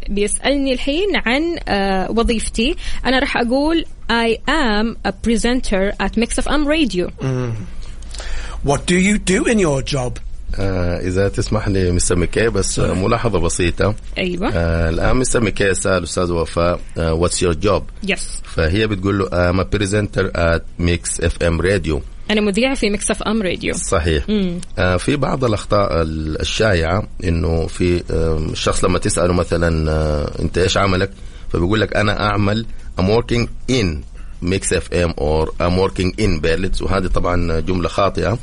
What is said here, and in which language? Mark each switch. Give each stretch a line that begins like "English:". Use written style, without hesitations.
Arabic: بيسألني الحين عن وظيفتي. أنا رح أقول
English: I am a presenter at Mix FM Radio. What do you do in your job?
Arabic: إذا تسمح لي مستر ميكي بس ملاحظة بسيطة. أيوة. الآن مستر ميكي سأل أستاذ وفاء
English: What's your job? Yes.
Arabic: فهي بتقول له
English: I'm a presenter at Mix FM Radio.
Arabic: أنا مذيعة في Mix FM Radio. صحيح. في بعض الأخطاء الشائعة إنه في الشخص لما تسأله مثلا أنت إيش عملك فبيقول لك أنا أعمل
English: I'm working in Mix FM or I'm working in Berlitz
Arabic: وهذه طبعا جملة خاطئة.